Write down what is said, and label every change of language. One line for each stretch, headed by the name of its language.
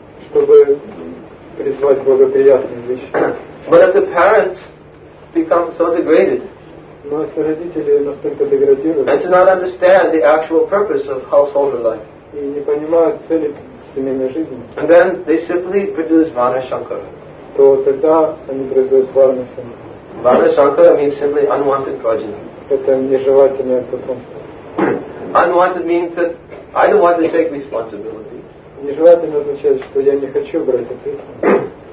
Russian: Чтобы призвать благоприятные вещи.
English: But if the parents become so degraded,
Russian: но если родители настолько деградируют,
English: and do not understand the actual purpose of household life,
Russian: и не понимают цели семейной жизни,
English: and then they simply produce Vanashankara.
Russian: то тогда они произойдут варна санкара.
English: Варна санкара means simply unwanted progeny.
Russian: Это нежелательное потомство.
English: Unwanted means that I don't want to take responsibility.
Russian: Нежелательно означает, что я не хочу брать ответственность.